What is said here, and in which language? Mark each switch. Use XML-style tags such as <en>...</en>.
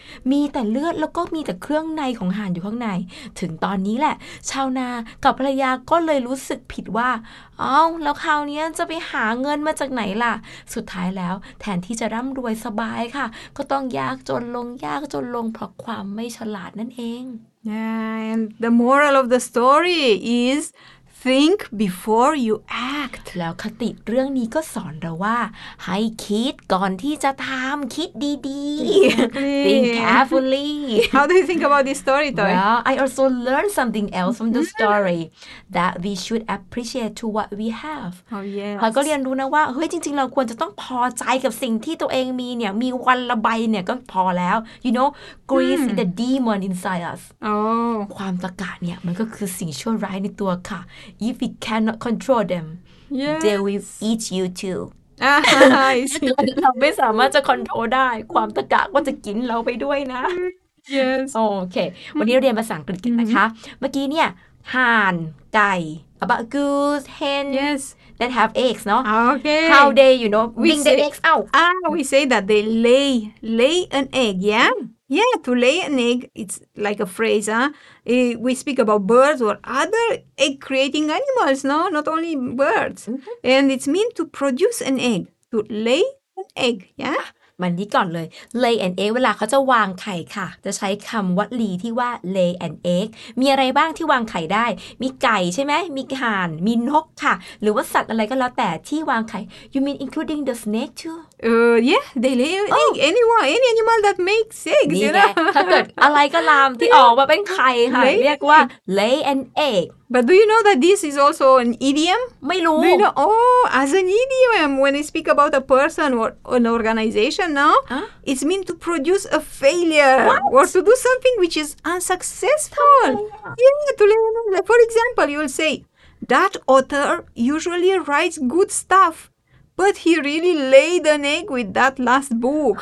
<th>มีแต่เลือดแล้วก็มีแต่เครื่องในของห่านอยู่ข้างในถึงตอนนี้แหละชาวนากับภรรยาก็เลยรู้สึกผิดว่าอ้าวแล้วคราวนี้จะไปหาเงินมาจากไหนล่ะสุดท้ายแล้วแทนที่จะร่ำรวยสบายค่ะก็ต้องยากจนลงยากจนลงเพราะความไม่ฉลาดนั่นเอง</th> <en>Yeah, and the moral of the story isThink before you act.</en> <th>แล้วคติเรื่องนี้ก็สอนเราว่าให้คิดก่อนที่จะทำคิดดีๆ</th> <en>Think carefully. How do you think about this story, Toy? Well, I also learned something else from the story that we should appreciate to what we have. Oh yes.</en> <th>เราก็เรียนรู้นะว่าเฮ้ยจริงๆเราควรจะต้องพอใจกับสิ่งที่ตัวเองมีเนี่ยมีวันละใบเนี่ยก็พอแล้ว</th> <en>You know, greed is the demon inside us. Oh.</en> <th>ความตะกะเนี่ยมันก็คือสิ่งชั่วร้ายในตัวค่ะ</th> <en>If we cannot control them, yes. they will eat you too. Uh-huh,</en> <th>เราไม่สามารถจะ control ได้ความตะกะก็จะกินเราไปด้วยนะ</th> <en>Yes.</en> <th>โอเควันนี้เรียนภาษาอังกฤษกันนะคะเมื่อกี้เนี่ยห่านไก่</th> <en>about goose hen Yes. that have eggs, no? Okay. How they, you know, bring the eggs out? We say that they lay an egg, yeah? Yeah, to lay an egg, it's like a phrase, huh? We speak about birds or other egg-creating animals, no? Not only birds. Mm-hmm. And it's meant to produce an egg, to lay an egg, yeah?</en> <th>มันนี่ก่อนเลย lay an egg เวลาเขาจะวางไข่ค่ะจะใช้คำวลีที่ว่า lay an egg มีอะไรบ้างที่วางไข่ได้มีไก่ใช่ไหมมีห่านมีนกค่ะหรือว่าสัตว์อะไรก็แล้วแต่ที่วางไข่</th> <en>you mean including the snake too yeah they lay an egg anyone any animal that makes eggs you know</en> <th>ถ้าเกิดอะไรก็ลามที่ออกมาเป็นไข่ค่ะเรียกว่า lay an egg</th> <en>But do you know that this is also an idiom?</en> <th>ไม่รู้</th> <en>Do you know? Oh, as an idiom, when you speak about a person or an organization, expression now. Huh? It means to produce a failure. What? Or to do something which is unsuccessful. Yeah, to learn. For example, you will say, that author usually writes good stuff, but he really laid an egg with that last book.</en>